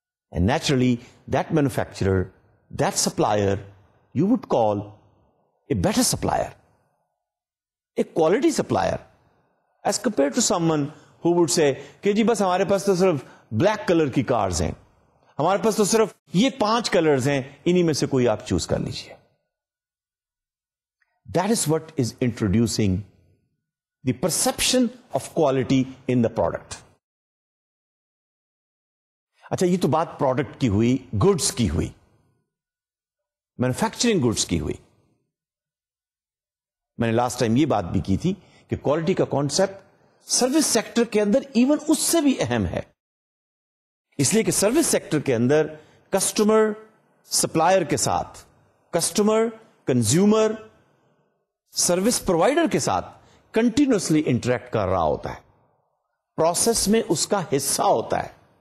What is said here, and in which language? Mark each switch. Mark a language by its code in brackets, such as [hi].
[en] And naturally, that manufacturer, that supplier, you would call a better supplier, a quality supplier, as compared to someone who would say, [ur] ke ji bas hamare paas to sirf black color ki cars hain. ہمارے پاس تو صرف یہ پانچ colours ہیں, انہی میں سے کوئی آپ چوز کر لیجئے. [en] That is what is introducing the perception of quality in the product. [ur] اچھا یہ تو بات پروڈکٹ کی ہوئی, گڈس کی ہوئی, مینوفیکچرنگ گڈس کی ہوئی. میں نے لاسٹ ٹائم یہ بات بھی کی تھی کہ کوالٹی کا کانسیپٹ سروس سیکٹر کے اندر ایون اس سے بھی اہم ہے, اس لیے کہ سروس سیکٹر کے اندر کسٹمر سپلائر کے ساتھ, کسٹمر کنزیومر سروس پرووائڈر کے ساتھ کنٹینیوسلی انٹریکٹ کر رہا ہوتا ہے, پروسیس میں اس کا حصہ ہوتا ہے.